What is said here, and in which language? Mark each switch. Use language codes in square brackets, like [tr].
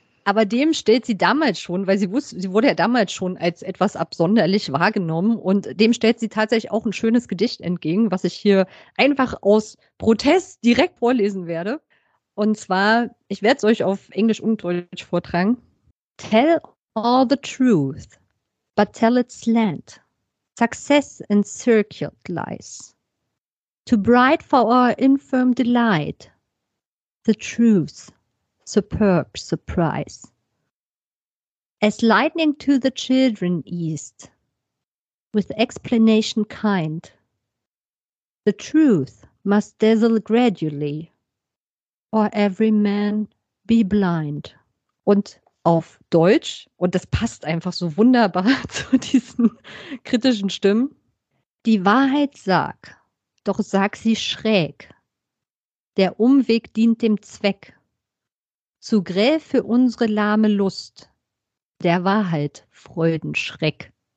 [de] Aber dem stellt sie damals schon, weil sie wusste, sie wurde ja damals schon als etwas absonderlich wahrgenommen und dem stellt sie tatsächlich auch ein schönes Gedicht entgegen, was ich hier einfach aus Protest direkt vorlesen werde. Und zwar, ich werde es euch auf Englisch und Deutsch vortragen. [en] Tell all the truth, but tell it slant. Success in circuit lies. Too bright for our infirm delight. The truth. Superb surprise. As lightning to the children east, with explanation kind, the truth must dazzle gradually, or every man be blind. [de] Und auf Deutsch, und das passt einfach so wunderbar zu diesen kritischen Stimmen, die Wahrheit sag, doch sag sie schräg. Der Umweg dient dem Zweck. Zu grell für unsere lahme Lust, der Wahrheit Freudenschreck.